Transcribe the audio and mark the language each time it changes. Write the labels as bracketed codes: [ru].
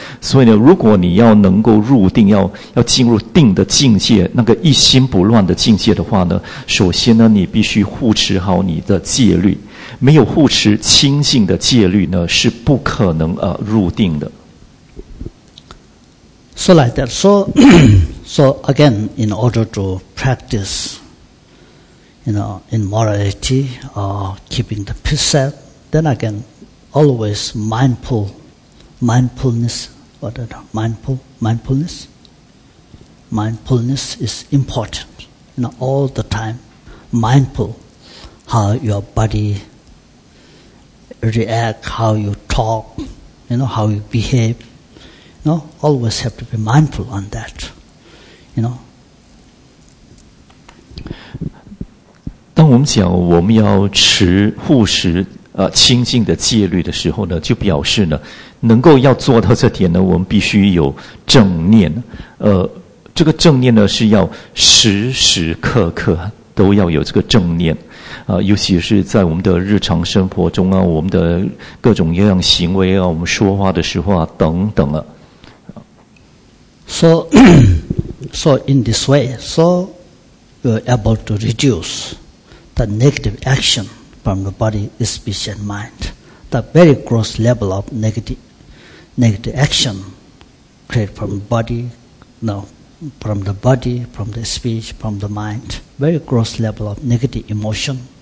[zh] 所以呢，如果你要能够入定，要进入定的境界，那个一心不乱的境界的话呢，首先呢，你必须护持好你的戒律。没有护持清净的戒律呢，是不可能入定的。 [en] So like that. So, so again, in order to practice, you know, in morality, keeping the precept, then again, always mindfulness is important. You know, all the time, mindful how your body react, how you talk, you know, how you behave. No, always have to be mindful on that. You know. [zh] 当我们讲我们要持护持清净的戒律的时候呢，就表示呢，能够要做到这点呢，我们必须有正念。这个正念呢，是要时时刻刻都要有这个正念。尤其是在我们的日常生活中啊，我们的各种各样行为啊，我们说话的时候啊，等等啊。 [en] So, so in this way, so you're able to reduce the negative action from the body, speech, and mind. The very gross level of negative action created from the body, no, from the body, from the speech, from the mind, very gross level of negative emotion,